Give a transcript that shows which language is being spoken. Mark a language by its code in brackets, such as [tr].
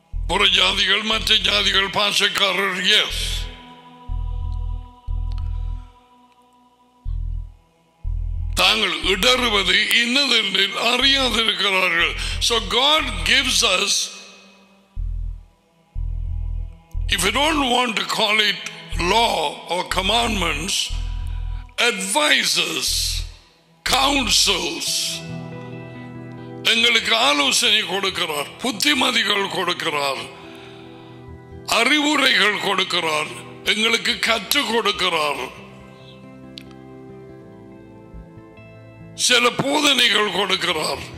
[ta] புற ஜாதிகள், மற்ற ஜாதிகள், பாஷைக்காரர், எஸ். தாங்கள் இடறுவது இன்னதென்று அறியாதிருக்கிறார்கள். [en] So God gives us, if you don't want to call it law or commandments, advices, counsels. [ta] எங்களுக்கு ஆலோசனை கொடுக்கிறார், புத்திமதிகள் கொடுக்கிறார், அறிவுரைகள் கொடுக்கிறார், எங்களுக்கு கற்றுக் கொடுக்கிறார், சில போதனைகள் கொடுக்கிறார்.